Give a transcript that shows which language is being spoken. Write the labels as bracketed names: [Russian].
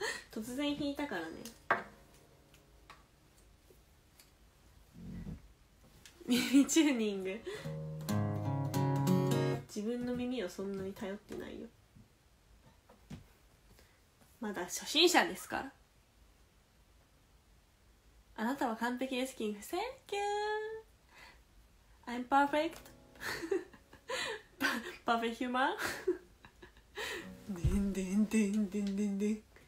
[Japanese] 突然弾いたからね、耳チューニング自分の耳をそんなに頼ってないよ、まだ初心者ですから。あなたは完璧です、キング。 [English] Thank you, I'm perfect perfect human [Japanese] デンデンデンデンデンデン、